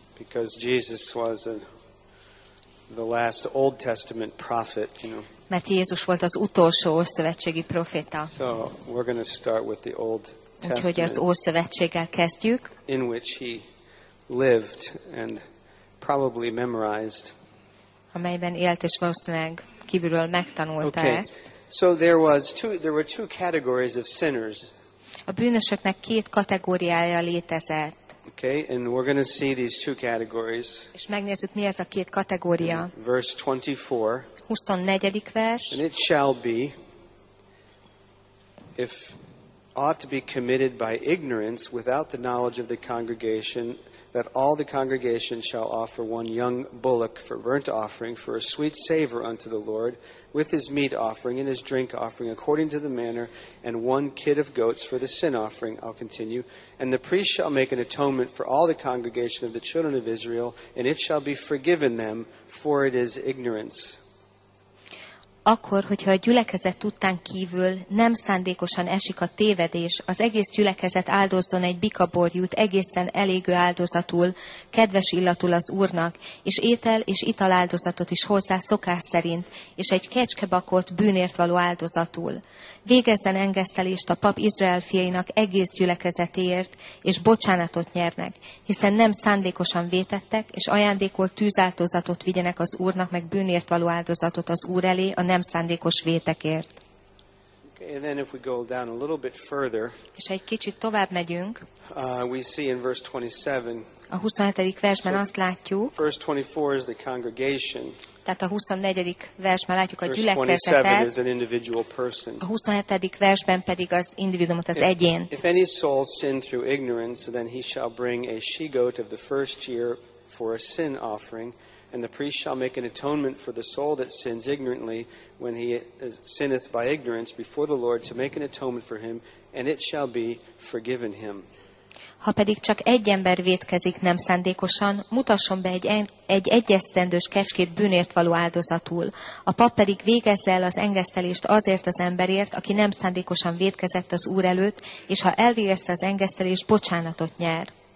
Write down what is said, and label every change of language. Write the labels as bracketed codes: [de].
[en] Because Jesus was the last Old Testament prophet, you know. [hu] Mert Jézus volt az utolsó ószövetségi proféta. [en] So we're going to start with the Old Testament. [hu] Úgyhogy az Ószövetséggel kezdjük. [en] In which he lived and probably memorized. [hu] Amelyben élt és valószínűleg kívülről megtanulta ezt. [en] So there were two categories of sinners. [hu] A bűnösöknek két kategóriája létezett. [en] Okay, and we're going to see these two categories. [hu] És megnézzük, mi ez a két kategória. [en] Verse 24. [hu] 24. vers. [en] And it shall be, if ought to be committed by ignorance without the knowledge of the congregation, that all the congregation shall offer one young bullock for burnt offering for a sweet savor unto the Lord, with his meat offering and his drink offering according to the manner, and one kid of goats for the sin offering. I'll continue. And the priest shall make an atonement for all the congregation of the children of Israel, and it shall be forgiven them, for it is ignorance. [hu] Akkor, hogyha a gyülekezet után kívül nem szándékosan esik a tévedés, az egész gyülekezet áldozzon egy bikaborjút egészen elégő áldozatul, kedves illatul az Úrnak, és étel és ital áldozatot is hozzá szokás szerint, és egy kecskebakot bűnért való áldozatul. Végezzen engesztelést a pap Izrael fiainak egész gyülekezetéért, és bocsánatot nyernek, hiszen nem szándékosan vétettek, és ajándékolt tűzáltozatot vigyenek az Úrnak, meg bűnért való áldozatot az Úr elé, a nem szándékos vétekért. [en] Okay, and then if we go down a little bit further, [hu] és egy kicsit tovább megyünk, [en] we see in verse 27, [hu] a 27. versben azt látjuk, [en] verse 24 is the congregation, [hu] tehát a 24. versben látjuk a [en] verse [hu] gyülekezetet, [en] 27 is an individual person. [hu] A 27. versben pedig az individuumot, az egyén. [en] If any soul sin through ignorance, then he shall bring a she-goat of the first year for a sin offering, and the priest shall make an atonement for the soul that sins ignorantly when he sinneth by ignorance before the Lord, to make an atonement for him, and it shall be forgiven him. [hu] Ha pedig csak egy ember vétkezik nem szándékosan, mutasson be egy egyesztendős kecskét bűnért való áldozatul. A pap pedig végezze el az engesztelést azért az emberért, aki nem szándékosan vétkezett az Úr előtt, és ha elvégezte az engesztelést, bocsánatot nyer.